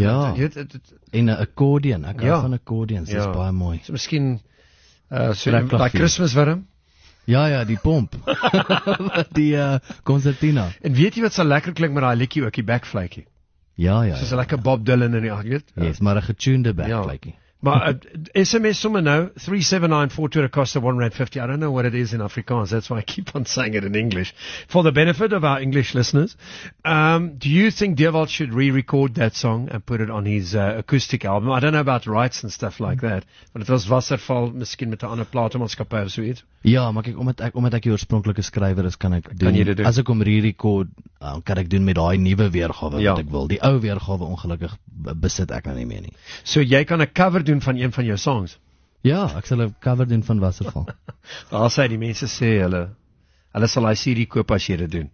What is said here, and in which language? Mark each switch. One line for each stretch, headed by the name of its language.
Afrikaans: Ja. En 'n accordion. Ek hou van accordions. Dit is baie mooi. So miskien by Christmas warm. Ja, ja, die pomp. Die concertina. En weet jy wat sal lekker klink met daai liedjie ook, die backflykie? Ja, ja. Soos lekker Bob Dylan in die ag, weet? Ja, yes, maar 'n getuned backflykie. Maar SMS sommer nou,
English: 37942 at a cost of R1.50. I don't know what it is in Afrikaans, that's why I keep on saying it in English. For the benefit of our English listeners, do you think Dewald should re-record that song and put it on his acoustic album? I don't know about rights and stuff like that, but it was Wasserfall,
Afrikaans: miskien met 'n ander platenmaatskappy of so iets. Ja, maar kyk, omdat ek die oorspronklike skrywer is, kan ek doen. Kan jy dit doen? As ek hom re-record, kan ek doen met daai nuwe weergawe wat ek wil. Die ou weergawe, ongelukkig, besit ek nou nie meer nie. So jy kan 'n cover doen van een van jou songs? Ja, ek sal 'n cover doen van Wasserfall. Daar sê die mense sê hulle sal daai CD koop as jy dit doen.